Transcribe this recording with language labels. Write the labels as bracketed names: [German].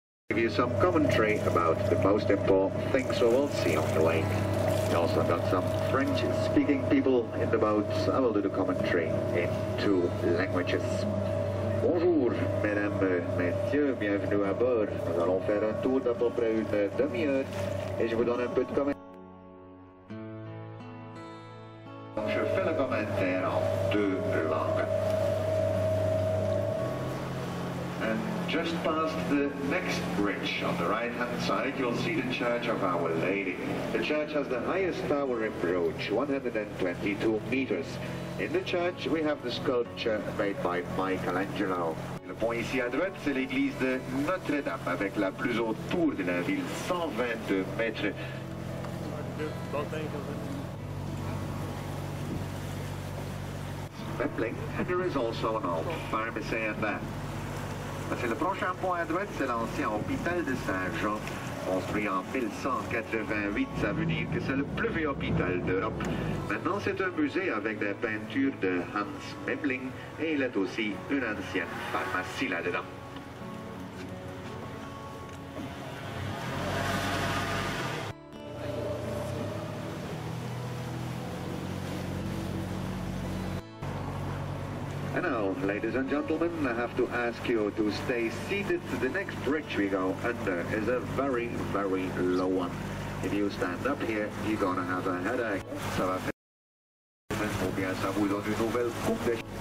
[English] Give you some commentary about the most important things we will see on the way. We also got some French-speaking people in the boat. I will do the commentary in two languages. [French] Bonjour, mesdames, messieurs, bienvenue à bord. Nous allons faire un tour d'à peu près une demi-heure et je vous donne un peu de commentaire. Je fais le commentaire en deux langues. [English] And just past the next bridge on the right-hand side, you'll see the Church of Our Lady. The church has the highest tower in Bruges, 122 meters. In the church, we have the sculpture made by Michelangelo. [French] Le pont ici à droite, c'est l'église de Notre-Dame, avec la plus haute tour de la ville, 122 mètres. [English] And there is also an old pharmacy in there. [French] C'est le prochain point à droite, c'est l'ancien hôpital de Saint-Jean, construit en 1188, ça veut dire que c'est le plus vieux hôpital d'Europe. Maintenant, c'est un musée avec des peintures de Hans Memling et il est aussi une ancienne pharmacie là-dedans. [English] And now, ladies and gentlemen, I have to ask you to stay seated. The next bridge we go under is a very, very low one. If you stand up here, you're gonna have a headache. [French] Ça va faire... Ou bien ça vous donne une nouvelle coupe de...